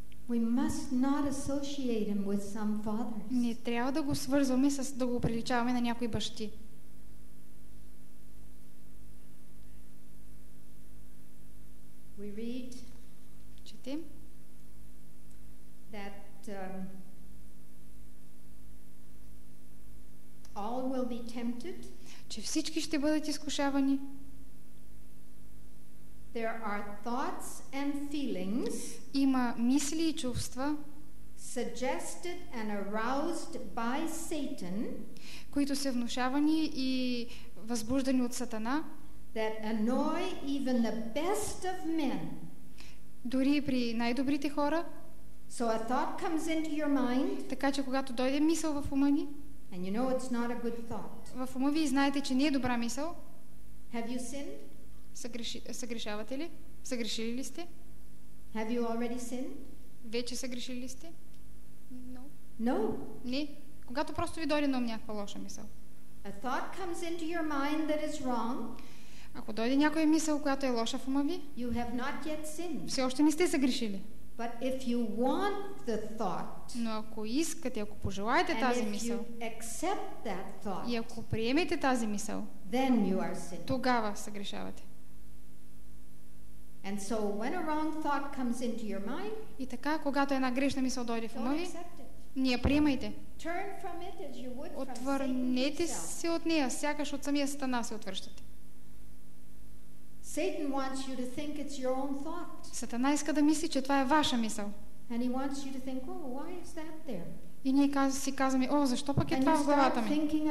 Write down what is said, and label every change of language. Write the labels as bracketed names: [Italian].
[English] We must not associate him with some fathers. [Bulgarian] Не трябва да го свързваме с да го приличаваме на някои бащи. [English] We read [Bulgarian] Четим [English] that all will be tempted. [Bulgarian] Че всички ще бъдат изкушавани. [English] There are thoughts and feelings. [Bulgarian] Има мисли и чувства, [English] suggested and aroused by Satan, [Bulgarian] които са внушавани и възбуждани от Сатана, [English] that annoy even the best of men. [Bulgarian] Дори при най-добрите хора. [English] So a thought comes into your mind. [Bulgarian] Така че когато дойде мисъл в ума ни, [English] and you know it's not a good thought. [Bulgarian] В ума ви знаете, че не е добра мисъл. [English] Have you sinned? [Bulgarian] Съгрешавате ли? Съгрешили ли сте? [English] Have you already sinned? [Bulgarian] Вече съгрешили ли сте? [English] No. No. [Bulgarian] Не. Когато просто ви дойде на ум някаква лоша мисъл. [English] A thought comes into your mind that is wrong. [Bulgarian] Ако дойде някоя мисъл, която е лоша в ума ви, [English] you have not yet sinned. [Bulgarian] Все още не сте съгрешили. [English] But if you want the thought, [Bulgarian] но ако искате, ако пожелаете тази мисъл, [English] thought, [Bulgarian] и ако приемете тази мисъл, [English] then you are sinned. [Bulgarian] Тогава съгрешавате. [English] And so when a wrong thought comes into your mind, [Bulgarian] и така, когато една грешна мисъл дойде в ума ви, не я приемайте. [English] Turn from it as you would from Satan. [Bulgarian] Отвърнете се от нея, сякаш от самия Сатана се отвръщате. [English] Satan wants you to think it's your own thought. [Bulgarian] Сатана иска да мисли, че това е ваша мисъл. [English] And he wants you to think, "Oh, why is that there?" [Bulgarian] И ние си казваме, о, защо пък е това в главата ми?